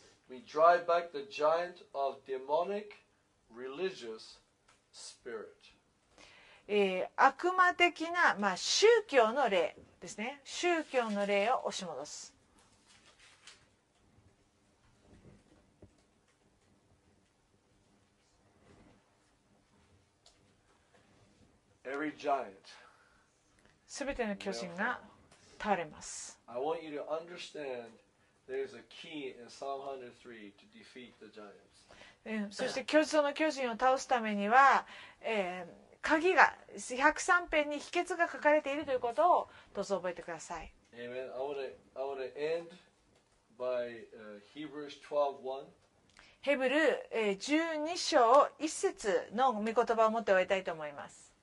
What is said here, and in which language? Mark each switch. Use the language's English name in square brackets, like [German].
[English] We drive back the giant of demonic religious spirit. [Japanese] 悪魔的な、まあ、宗教の霊ですね。宗教の霊を押し戻す。 [English] Every giant. [Japanese] すべての巨人が倒れます。 [English] I want you to understand there's a key in Psalm 103 to defeat the giants. [Japanese] そして巨人の巨人を倒すためには、鍵が103編に秘訣が書かれているということをどうぞ覚えてください。 [English] Amen. I want to end by Hebrews 12:1. [Japanese] ヘブル12章1節の御言葉を持って終えたいと思います。